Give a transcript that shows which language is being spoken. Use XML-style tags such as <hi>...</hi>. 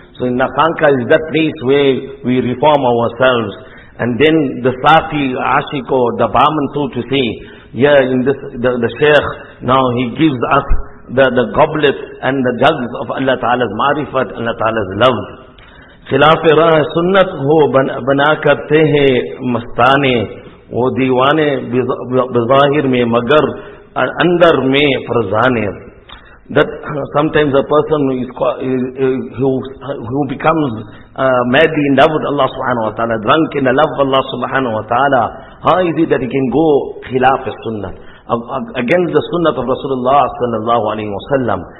<en>So in Nakanka is that place where we reform ourselves. And then the Safi, Ashiko, the Bahman, so to say, here in this, the Shaykh, now he gives us the goblets and the jugs of Allah Ta'ala's marifat, Allah Ta'ala's love.</en> <ur>خلافِ راہ سنت ہو بنا کرتے ہیں مستانے وہ دیوانے بظاہر میں مگر اندر میں فرزانے.</ur> <en>That sometimes a person who becomes madly in love with Allah subhanahu wa ta'ala, drunk in the love of Allah subhanahu wa ta'ala, how is it that he can go khilaf sunnah, against the sunnah of Rasulullah sallallahu alayhi wa sallam?</en>